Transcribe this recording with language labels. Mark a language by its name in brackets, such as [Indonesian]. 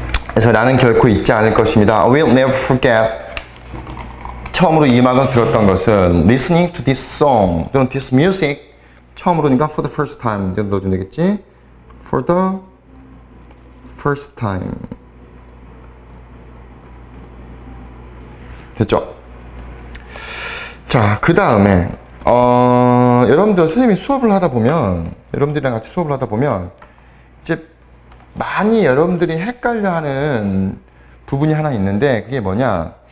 [Korean] 그래서 나는 결코 잊지 않을 것입니다. [English] I will never forget. [Korean] 처음으로 이 음악을 들었던 것은 [English] listening to this song, this music. [Korean] 처음으로니까 [English] for the first time [Korean] 이렇게 넣어주면 되겠지? [English] For the first time. [Korean] 됐죠? 자, 그 다음에 여러분들 선생님이 수업을 하다 보면 여러분들이랑 같이 수업을 하다 보면 이제 많이 여러분들이 헷갈려하는 부분이 하나 있는데 그게 뭐냐?